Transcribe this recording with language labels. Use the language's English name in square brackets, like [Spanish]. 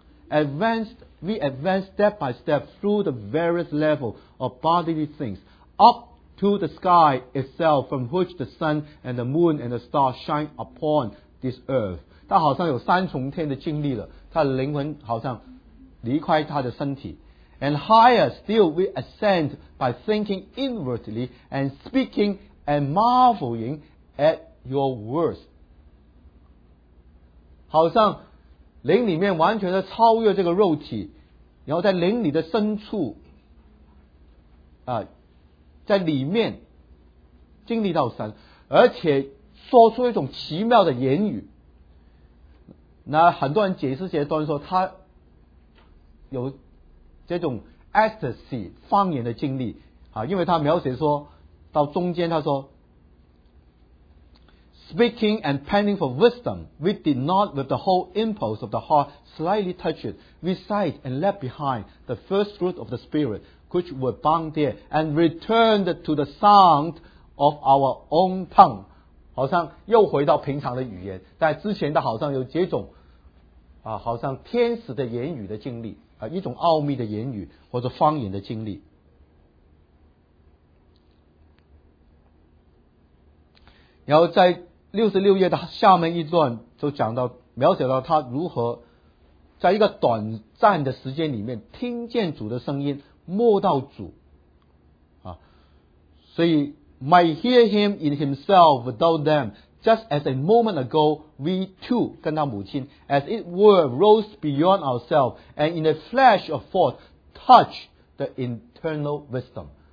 [English] We advance step by step through the various levels of bodily things up to the sky itself from which the sun and the moon and the stars shine upon this earth。 [Chinese] 他好像有三重天的经历了，他的灵魂好像离开他的身体。 [English] And higher still we ascend by thinking inwardly and speaking and marveling at your words。 [Chinese] 好像灵里面完全的超越这个肉体，然后在灵里的深处在里面经历到神，而且说出一种奇妙的言语。那很多人解释这段说他有这种 ecstasy 方言的经历啊，因为他描写说到中间他说 [English] speaking and panning for wisdom we did not with the whole impulse of the heart slightly touch it we sighed and left behind the first fruit of the spirit which were bound there and returned to the sound of our own tongue。 [Chinese] 好像又回到平常的语言，但之前的好像有这种啊，好像天使的言语的经历啊，一种奥秘的言语或者方言的经历。然后在66页的下面一段就讲到描写到他如何在一个短暂的时间里面听见主的声音，摸到主啊，所以 [English] might hear him in himself without them just as a moment ago we too [Chinese] 跟他母亲 [English] as it were rose beyond ourselves and in a flash of thought touch the internal wisdom。